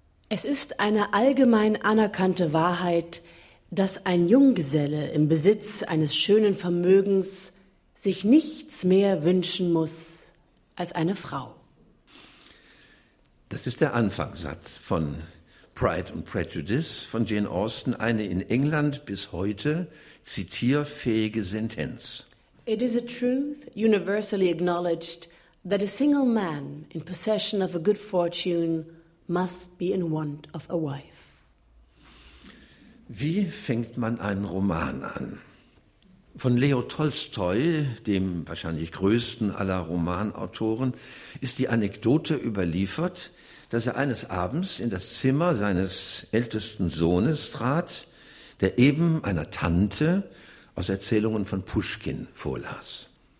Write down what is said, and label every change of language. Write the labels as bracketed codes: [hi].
[de] Es ist eine allgemein anerkannte Wahrheit, dass ein Junggeselle im Besitz eines schönen Vermögens sich nichts mehr wünschen muss als eine Frau. Das ist der Anfangssatz von Pride and Prejudice von Jane Austen, eine in England bis heute zitierfähige Sentenz. [en] It is a truth universally acknowledged that a single man in possession of a good fortune must be in want of a wife. [de] Wie fängt man einen Roman an? Von Leo Tolstoi, dem wahrscheinlich größten aller Romanautoren, ist die Anekdote überliefert, dass er eines Abends in das Zimmer seines ältesten Sohnes trat, der eben einer Tante aus Erzählungen von Puschkin vorlas.